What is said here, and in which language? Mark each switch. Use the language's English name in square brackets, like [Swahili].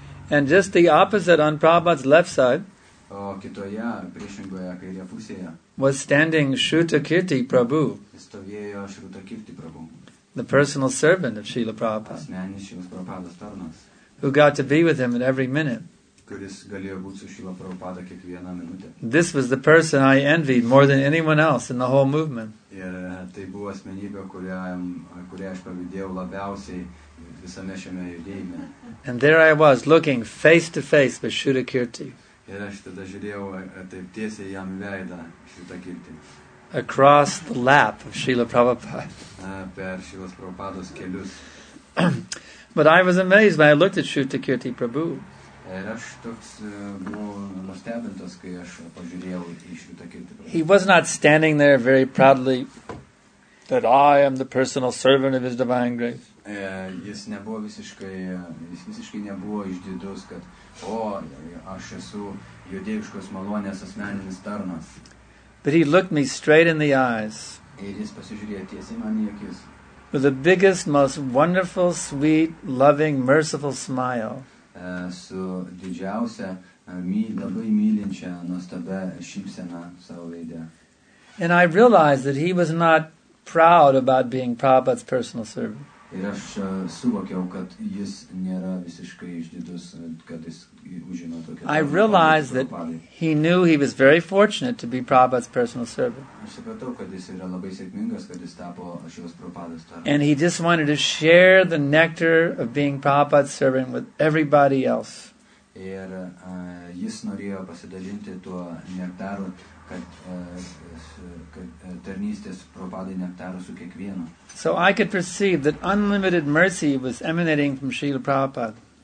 [English] And just the opposite on Prabhupada's left side was standing Shuta Kirti Prabhu, the personal servant of Srila Prabhupada, who got to be with him at every minute. [Lithuanian] Kuris galėjo būti su Šila Prabhupada kiekvieną minutę. [English] This was the person I envied more than anyone else in the whole movement. [Lithuanian] Ir tai buvo asmenybė, kurią aš pavydėjau labiausiai visame šiame judėjime. [English] And there I was, looking face to face with Shuta Kirti. [Lithuanian] Ir aš tada žiūrėjau taip tiesiai jam veidą, Shuta Kirti. [English] Across the lap of Srila Prabhupada. [Lithuanian] Per Šilos Prabhupados kelius. [English] But I was amazed when I looked at Shuta Kirti Prabhu. [Lithuanian] Ir aš toks buvau nustebintas, kai aš pažiūrėjau į Shuta Kirti Prabhu. [English] He was not standing there very proudly that I am the personal servant of His divine grace. [Lithuanian] Jis nebuvo visiškai nebuvo išdidus, kad aš esu jo dieviškos malonės asmeninis tarnas. [English] But he looked me straight in the eyes. [Lithuanian] Ir jis pasižiūrėjo tiesiai man į akis. [English] With the biggest, most wonderful, sweet, loving, merciful smile. [Lithuanian] Su didžiausia, labai mylinčia, nuostabia šypsena savo veide. [English] And I realized that he was not proud about being Prabhupada's personal servant. [Lithuanian] Ir aš suvokiau, kad jis nėra visiškai išdidus, kad jis užino tokią. [English] I realized that he knew he was very fortunate to be Prabhupada's personal servant. [Lithuanian] Aš supratau, kad jis yra labai sėkmingas, kad jis tapo šios Prabhupados tarnu. [English] And he just wanted to share the nectar of being Prabhupada's servant with everybody else. [Lithuanian] Ir jis norėjo pasidalinti tuo nektaru, kad tarnystės Prabhupadai nektaru su kiekvienu. [English] So I could perceive that unlimited mercy was emanating from Srila Prabhupada.